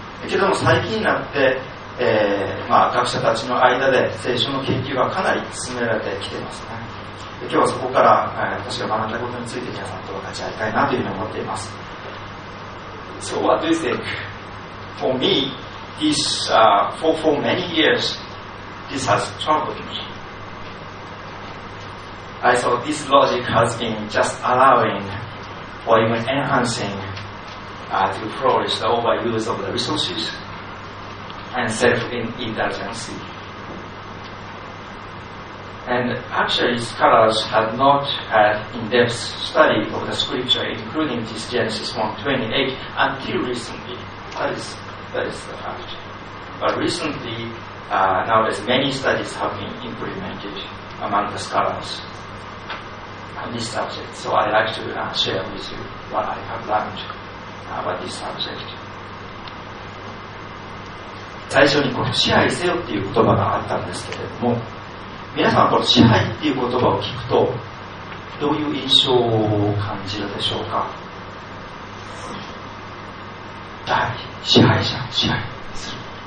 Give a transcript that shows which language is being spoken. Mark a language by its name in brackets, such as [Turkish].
[Japanese] けども最近になって、学者たちの間で聖書の研究がかなり進められてきていますね。今日はそこから、私が学んだことについて皆さんと分かち合いたいなというふうに思っています。 [English] So what do you think? For me, this, for many years, this has troubled me. I thought this logic has been just allowing or even enhancing to flourish the overuse of the resources and self-indulgency. And actually, scholars have not had in-depth study of the scripture, including this Genesis 1:28, until recently. That is the fact. But recently, nowadays, many studies have been implemented among the scholars on this subject. So I'd like to share with you what I have learned about this subject. [Japanese] 最初にこの支配せよっていう言葉があったんですけれども、皆さんこの支配っていう言葉を聞くとどういう印象を感じるでしょうか。はい、支配者、支配する、